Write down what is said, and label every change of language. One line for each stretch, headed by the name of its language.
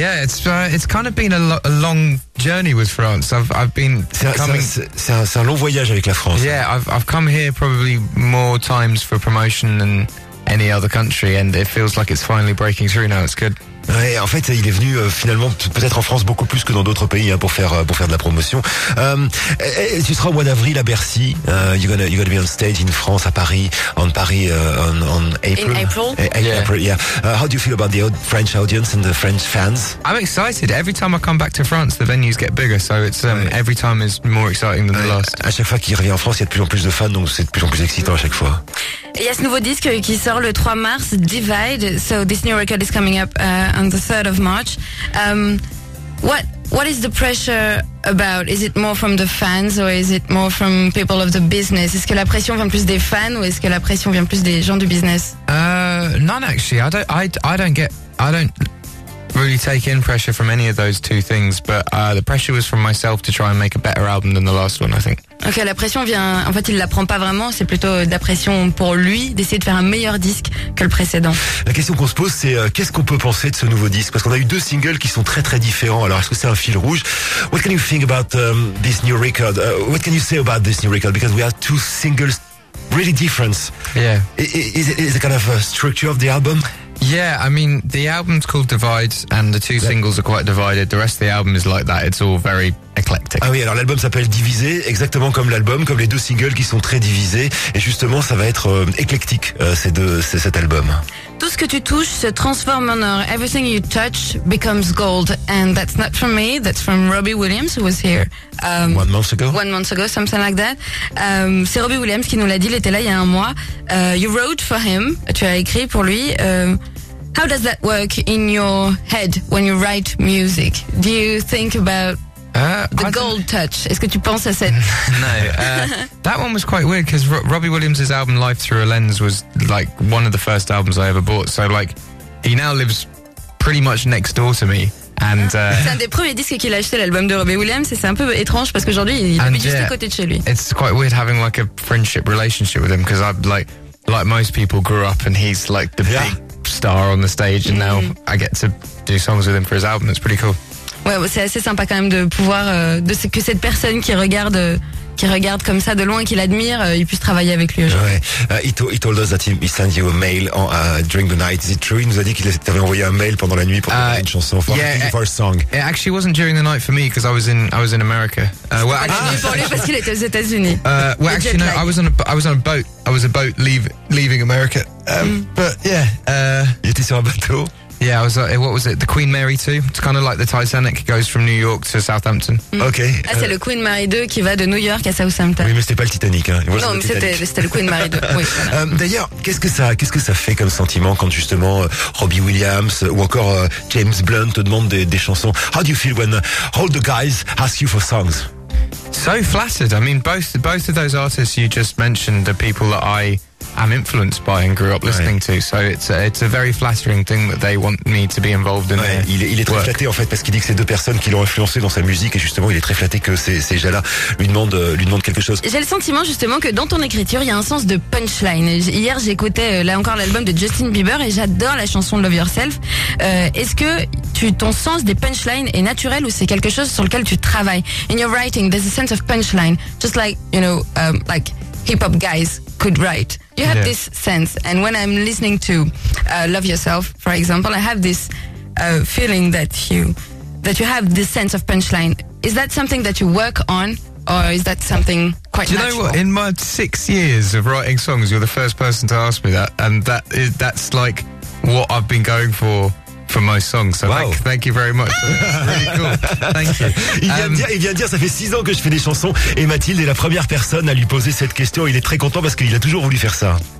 English: Yeah, it's kind of been a long journey with France. I've been coming.
French: C'est un long voyage avec la France.
English: Yeah, I've come here probably more times for promotion than any other country, and it feels like it's finally breaking through now. It's good.
French: Ouais, en fait, il est venu finalement peut-être en France beaucoup plus que dans d'autres pays hein, pour faire de la promotion. Tu seras au mois d'avril à Bercy.
English: You're gonna be on stage in France,
French: à Paris,
English: in April. Yeah. How do you feel about the French audience and the French fans? I'm excited. Every time I come back to France, the venues get bigger, so it's every time is more exciting than the last.
French: À chaque fois qu'il revient en France, il y a de plus en plus de fans, donc c'est de plus en plus excitant à chaque fois. Il y a ce nouveau disque qui sort le 3 mars, Divide.
English: So this new record is coming up on the 3rd of March. What is the pressure about? Is it more from the fans or is it more from people of the business? Est-ce que la pression vient plus des fans ou est-ce que la pression vient plus des gens du business? None actually. I don't really take in pressure from any of those two things, but the pressure was from myself to try and make a better album than the last one, I think.
French: Ok, la pression vient. En fait, il la prend pas vraiment. C'est plutôt de la pression pour lui d'essayer de faire un meilleur disque que le précédent. La question qu'on se pose, c'est qu'est-ce qu'on peut penser de ce nouveau disque? Parce qu'on a eu deux singles qui sont très très différents. Alors, est-ce que c'est un fil rouge?
English: What can you think about this new record? What can you say about this new record? Because we have two singles, really different. Yeah. Is it kind of a structure of the album? Yeah, I mean, the album's called Divide, and the two singles are quite divided. The rest of the album is like that. It's all very eclectic.
French: Ah oui, alors l'album s'appelle Divisé, exactement comme l'album, comme les deux singles qui sont très divisés. Et justement, ça va être éclectique, cet album. Tout ce que tu touches se transforme en or.
English: Everything you touch becomes gold. And that's not from me, that's from Robbie Williams, who was here. One month ago, something like that.
French: C'est Robbie Williams qui nous l'a dit, il était là il y a un mois.
English: You wrote for him,
French: tu as écrit pour lui.
English: How does that work in your head when you write music? Do you think about the gold touch?
French: Est-ce que tu penses à cette...
English: No, that one was quite weird because Robbie Williams' album Life Through a Lens was like one of the first albums I ever bought. So like, he now lives pretty much next door to me.
French: C'est un des premiers disques qu'il a acheté, l'album de Robbie Williams, et c'est un peu étrange parce qu'aujourd'hui il habite juste à côté de chez lui.
English: It's quite weird having like a friendship relationship with him because I'm like most people grew up and he's like the big star on the stage and now I get to do songs with him for his album. It's pretty cool.
French: Ouais, c'est assez sympa quand même de pouvoir que cette personne qui regarde comme ça de loin, qu'il admire, il puisse travailler avec lui aujourd'hui. Ouais.
English: He told us that he sent you a mail during the night. Is it true?
French: Il nous a dit qu'il t'avait envoyé un mail pendant la nuit pour une chanson.
English: For a song. It actually wasn't during the night for me because I was in America.
French: Pour lui parce qu'il était aux États-Unis.
English: I was on a boat. I was a boat leaving America.
French: Il était sur un bateau.
English: Yeah, I was like, what was it? The Queen Mary 2? It's kind of like the Titanic, it goes from New York to Southampton. Okay.
French: Ah, c'est le Queen Mary 2 qui va de New York à Southampton. Oui, mais c'était pas le Titanic. Hein. C'était le Queen Mary 2. Oui, voilà. D'ailleurs, qu'est-ce que ça fait comme sentiment quand justement Robbie Williams ou encore James Blunt te demandent des chansons?
English: How do you feel when all the guys ask you for songs? So flattered. I mean, both of those artists you just mentioned are people that I'm influenced by and grew up listening to, so it's a very flattering thing that they want me to be involved in.
French: Ouais, il est très flatté en fait parce qu'il dit que c'est deux personnes qui l'ont influencé dans sa musique et justement il est très flatté que ces gens-là lui demandent quelque chose. J'ai le sentiment justement que dans ton écriture il y a un sens de punchline. Hier j'écoutais là encore l'album de Justin Bieber et j'adore la chanson Love Yourself. Est-ce que ton sens des punchlines est naturel ou c'est quelque chose sur lequel tu travailles?
English: In your writing, there's a sense of punchline, just like you know, like hip-hop guys could write. You have this sense, and when I'm listening to Love Yourself, for example, I have this feeling that you have this sense of punchline. Is that something that you work on, or is that something quite natural? Do you know what? In my 6 years of writing songs, you're the first person to ask me that, and that's like what I've been going for. For my song, so thank you very much. Really cool. Thank you.
French: Il vient de dire, ça fait 6 ans que je fais des chansons et Mathilde est la première personne à lui poser cette question. Il est très content parce qu'il a toujours voulu faire ça.